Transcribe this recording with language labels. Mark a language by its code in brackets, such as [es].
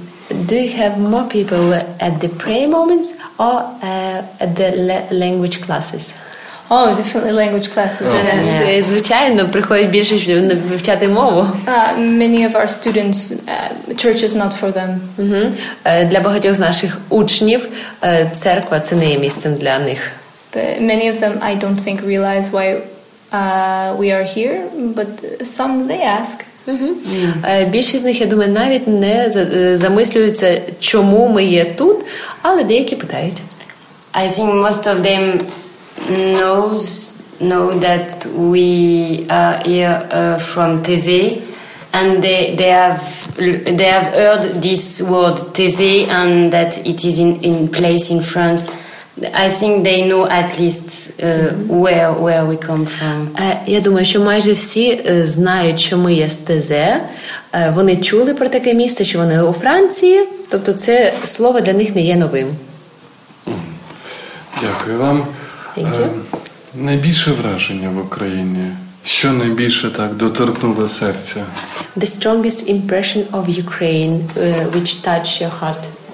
[en] Do you have more people at the prayer moments or at the language classes? Oh, definitely language classes. [uk] Звичайно, приходять більше вивчати мову. [en] Many of our students, church is not for them. [uk] Для багатьох з наших учнів церква – це не є місцем для них. [en] But many of them, I don't think, realize why we are here, but some, they ask. [uk] Більшість з них, я думаю, навіть не замислюються, чому ми є тут, але деякі питають. [en] I think most of them know that we are here from Tese, and they have heard this word Tese, and that it is in place in France. I think they know at least where we come from. [uk] Я думаю, що майже всі знають, що ми є з Тезе. Вони чули про таке місце, що вони у Франції. Тобто це слово для них не є новим. Дякую вам. [en] Thank you. [uk] Найбільше враження в Україні? Що найбільше так доторкнуло серця? [en] The strongest impression of Ukraine, which touched your heart.